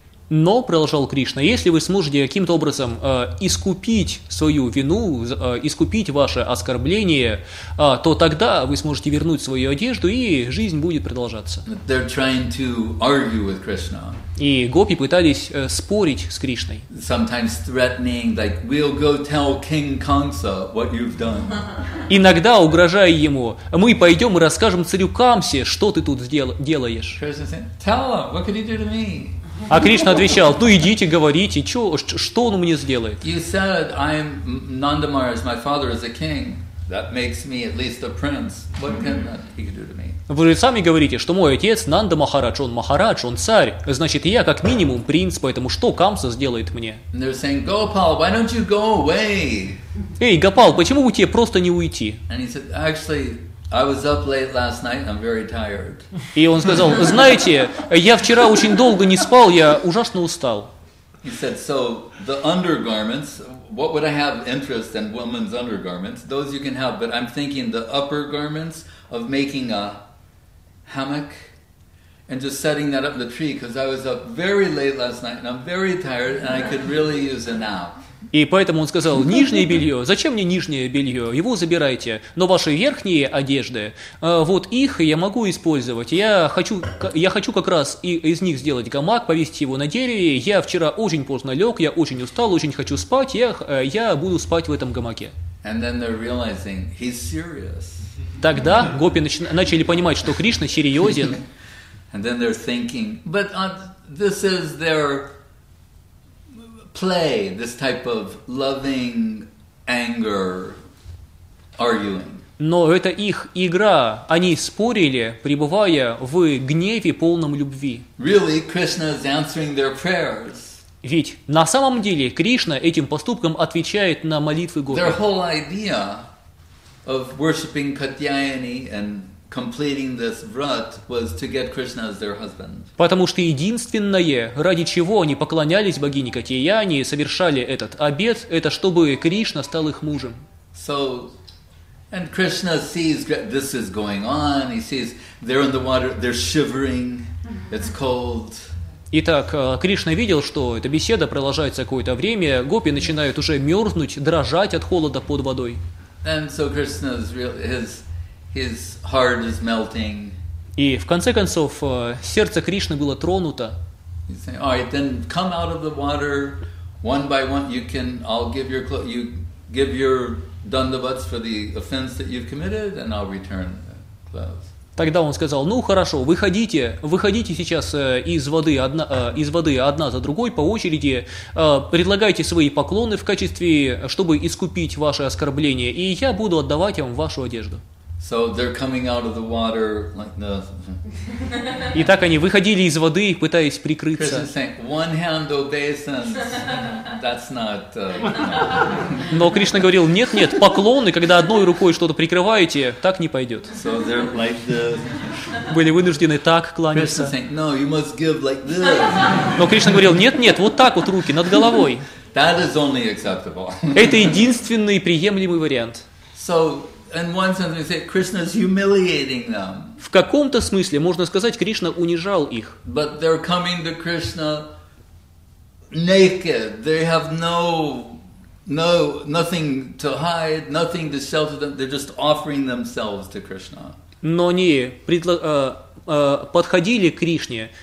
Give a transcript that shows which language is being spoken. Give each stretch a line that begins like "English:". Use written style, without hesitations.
Russian: Но, продолжал Кришна, если вы сможете каким-то образом искупить свою вину, искупить ваше оскорбление, то тогда вы сможете вернуть свою одежду, и жизнь будет продолжаться.
English: They're trying to argue with Krishna.
Russian: И гопи пытались спорить с Кришной.
English: Sometimes threatening, like, we'll go tell King Kamsa what you've done.
Russian: Иногда угрожая ему, мы пойдем и расскажем царю Камсе, что ты тут делаешь.
English: Krishna said, tell him, what could you do to me?
Russian: А Кришна отвечал, ну идите, говорите, что он мне сделает?
English: You said, I'm Nandamaraj, my father is a king. That makes me at least a prince. What can he do to me?
Russian: Вы же сами говорите, что мой отец Нанда Махарадж, он Махарадж, он царь. Значит, я как минимум принц, поэтому что Камса сделает мне?
English: And they're saying, Gopal, why don't you go away?
Russian: Эй, Гопал, почему бы тебе просто не уйти?
English: And he said, actually, I was up late last night, I'm very tired.
Russian: И он сказал, знаете, я вчера очень долго не спал, я ужасно устал.
English: He said, so the undergarments, what would I have interest in women's undergarments? Those you can have, but I'm thinking the upper garments of making a hammock and just setting that up in the tree, because I was up very late last night and I'm very tired and I could really use a nap.
Russian: И поэтому он сказал, нижнее белье, зачем мне нижнее белье, его забирайте, но ваши верхние одежды, вот их я могу использовать, я хочу как раз из них сделать гамак, повесить его на дереве, я вчера очень поздно лег, я очень устал, очень хочу спать, я буду спать в этом гамаке.
English: And then they're realizing he's serious.
Russian: Тогда гопи начали понимать, что Кришна серьезен.
English: And then they're thinking, but this is their play, this type of loving anger arguing.
Russian: Но это их игра. Они спорили, пребывая в гневе полном любви.
English: Really, Krishna is answering their prayers.
Russian: Ведь на самом деле Кришна этим поступком отвечает на молитвы гопи.
English: Their whole idea of worshiping Katyayani and completing this vrat was to get Krishna as their husband.
Russian: Потому что единственное, ради чего они поклонялись богине Катьяяне и совершали этот обет, это чтобы Кришна стал их мужем.
English: So, and Krishna sees this is going on. He sees they're in the water, they're shivering. It's cold.
Russian: Итак, Кришна видел, что эта беседа продолжается какое-то время. Гопи начинают уже мерзнуть, дрожать от холода под водой.
English: And so Krishna's real, his heart is melting.
Russian: И в конце концов сердце Кришны было тронуто.
English: He's saying, "All right, then come out of the water one by one. I'll give your dandavats for the offense that you've committed, and I'll return the clothes."
Russian: Тогда он сказал, ну хорошо, выходите сейчас из воды одна за другой по очереди, предлагайте свои поклоны в качестве, чтобы искупить ваше оскорбление, и я буду отдавать вам вашу одежду.
English: So they're coming out of the water like the...
Russian: И так они выходили из воды, пытаясь прикрыться.
English: Krishna's saying, one hand obeisance, that's not...
Russian: Но Кришна говорил, нет, поклоны, когда одной рукой что-то прикрываете, так не пойдет.
English: So they're like the...
Russian: Были вынуждены так кланяться.
English: Krishna's saying, no, you must give like this.
Russian: Но Кришна говорил, нет, вот так вот руки, над головой.
English: That is only acceptable.
Russian: Это единственный приемлемый вариант.
English: So... And one sense, they say Krishna is humiliating them.
Russian: В каком-то смысле можно сказать, Кришна унижал их.
English: But they're coming to Krishna naked. They have nothing to hide, nothing to shelter them. They're just offering themselves to Krishna.
Russian: Но они подходили к Кришне.